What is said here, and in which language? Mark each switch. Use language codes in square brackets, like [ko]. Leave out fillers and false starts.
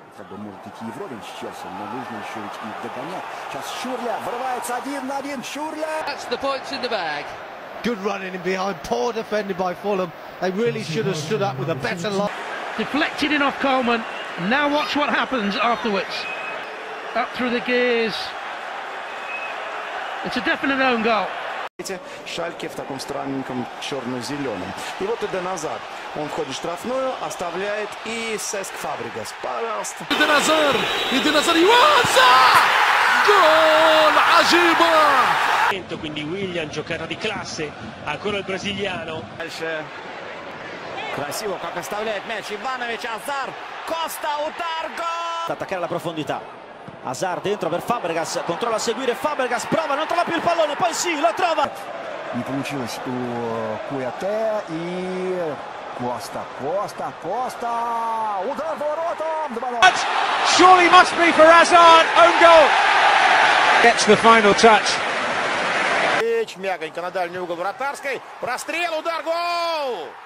[ru] Как бы может идти в Ровен сейчас, но нужно еще ведь их догонять. Сейчас Шурля врывается один на один, Шурля. [en] That's the points in the bag. Good running in behind, poor defended by Fulham. They really should have stood up with a better line. Deflected in off Coleman. Now watch what happens afterwards. Up through the gears. It's a definite own goal. [ru] Шальке в таком странненьком черно-зеленом. И вот Эден Азар. Он входит в штрафную, оставляет и Сеск Фабригас. Пожалуйста. Эден Азар! Эден Азар! Эден Азар! Gol! Ajibo! [it] Quindi William, giocata di classe, ancora il brasiliano. [ru] Красиво как оставляет мяч Иванович, Азар, Коста, удар, гол! [it] Attaccare la profondità. Azar dentro per Fabregas, controlla a seguire Fabregas, prova, non trova più il pallone, poi sì, lo trova. [ru] Не получилось у Куяте и Коста, Коста, Коста, удар воротом, 2-0. [en] Surely must be for Hazard, own goal. Gets the final touch. [ru] Мяч мягонько на дальний угол вратарской, прострел, удар, гол!